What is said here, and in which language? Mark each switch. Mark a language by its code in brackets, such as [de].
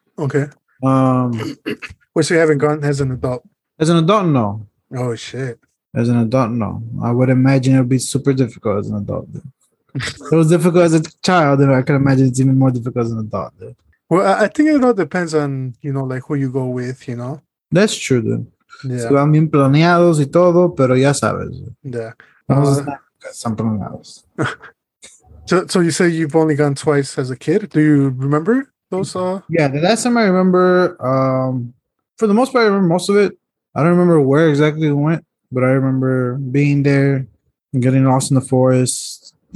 [en] Okay. Which you haven't gone as an adult? As an adult, no. Oh, shit. As an adult, no. I would imagine it would be super difficult as an adult. It was difficult as a child, and I can imagine it's even more difficult as an adult. Dude. Well, I think it all depends on, you know, like who you go with, you know? That's true, dude. Yeah. [es] Van bien planeados y todo, pero ya sabes. [en] Yeah. So you say you've only gone twice as a kid. Do you remember those? Yeah, the last time I remember, for the most part, I remember most of it. I don't remember where exactly we went, but I remember being there and getting lost in the forest.